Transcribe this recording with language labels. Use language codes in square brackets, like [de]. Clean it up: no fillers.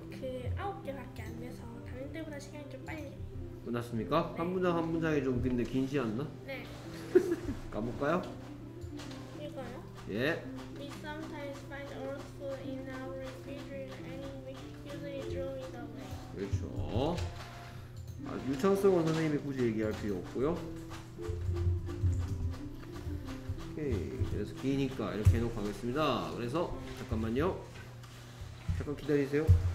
[ko] 그 9개밖에 안 돼서 다른 때보다 시간이 좀 빨리 끝났습니까? 네. 한 문장 한 문장이 좀 긴데 긴지 않나? 네. 가볼까요? 이거요? 예. [en] We sometimes find also in our refrigerator and we usually throw it away. [ko] 그렇죠. 아, 유창성 선생님이 굳이 얘기할 필요 없고요. 오케이. 그래서 기니까 이렇게 해놓고 하겠습니다. 그래서 잠깐만요. 잠깐 기다리세요.